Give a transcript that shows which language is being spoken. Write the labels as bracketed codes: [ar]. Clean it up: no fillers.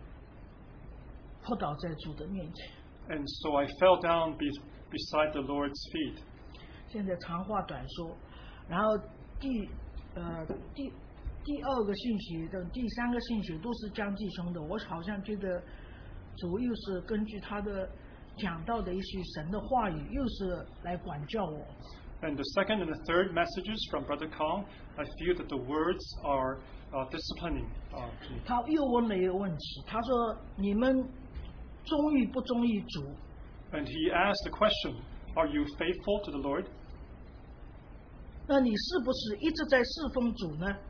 [zh] 我一下子就完全扑倒在主的面前。 [en] And so I fell down beside the Lord's feet. [zh] 现在长话短说, 然后第, 第, 第二个信息的第三个信息都是江继兄的, 我好像觉得主又是根据他的讲到的一些神的话语, 又是来管教我。 [en] And the second and the third messages from Brother Kong, I feel that the words are disciplining. [zh] 他又问了一个问题, 他说, 你们忠义不忠义主? [en] And he asked the question, are you faithful to the Lord? [zh] 那你是不是一直在侍奉主呢?